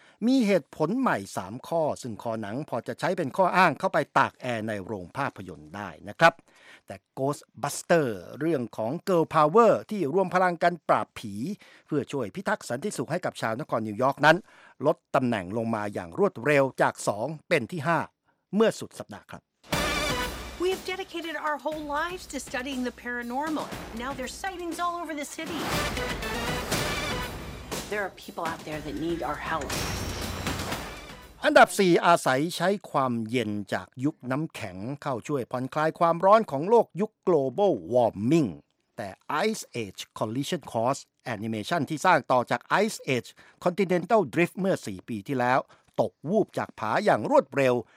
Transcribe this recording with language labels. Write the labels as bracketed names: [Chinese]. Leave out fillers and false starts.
[Thai] มีเหตุผลใหม่3ข้อซึ่งคอหนังพอจะใช้เป็นข้ออ้างเข้าไปตากแอร์ในโรงภาพยนตร์ได้นะครับแต่ Ghostbuster เรื่องของ Girl Power ที่รวมพลังกันปราบผีเพื่อช่วยพิทักษ์สันติสุขให้กับชาวนครนิวยอร์กนั้นลดตำแหน่งลงมาอย่างรวดเร็วจาก2เป็นที่5เมื่อสุดสัปดาห์ครับ [English] We have dedicated our whole lives to studying the paranormal. Now there's sightings all over the city. There are people out there that need our help. [Thai] อันดับ4อาศัยใช้ความเย็นจากยุคน้ำแข็งเข้าช่วยผ่อนคลายความร้อนของโลกยุค Global Warming แต่ Ice Age Collision Course Animation ที่สร้างต่อจาก Ice Age Continental Drift เมื่อ4ปีที่แล้วตกวูบจากผาอย่างรวดเร็ว